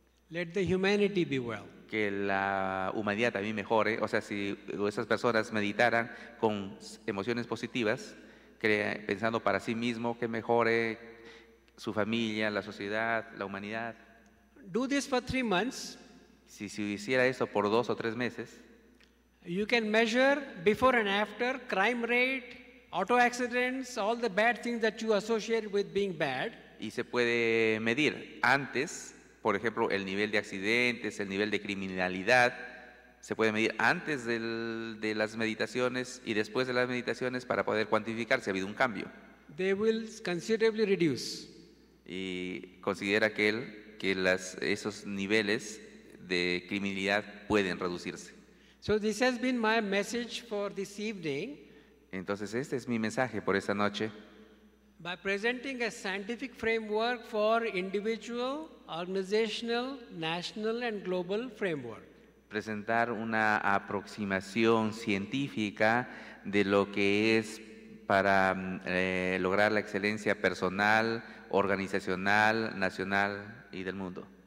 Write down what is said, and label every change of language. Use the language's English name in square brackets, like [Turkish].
[English] Let the humanity be well. [Spanish] Que la humanidad también mejore. O sea, si esas personas meditaran con emociones positivas, pensando para sí mismo que mejore su familia, la sociedad, la humanidad. [English] Do this for 3 months. [Spanish] Si hiciera eso por 2 o 3 meses. [English] You can measure before and after crime rate, auto accidents, all the bad things that you associate with being bad. [Spanish] Y se puede medir antes, por ejemplo, el nivel de accidentes, el nivel de criminalidad. Se puede medir antes de las meditaciones y después de las meditaciones para poder cuantificar si ha habido un cambio. [English] They will considerably reduce. [Spanish] Y considera que él que esos niveles de criminalidad pueden reducirse. [English] So this has been my message for this evening. [Spanish] Entonces este es mi mensaje por esta noche. [English] By presenting a scientific framework for individual, organizational, national and global framework. [Spanish] Presentar una aproximación científica de lo que es para lograr la excelencia personal, organizacional, nacional y del mundo.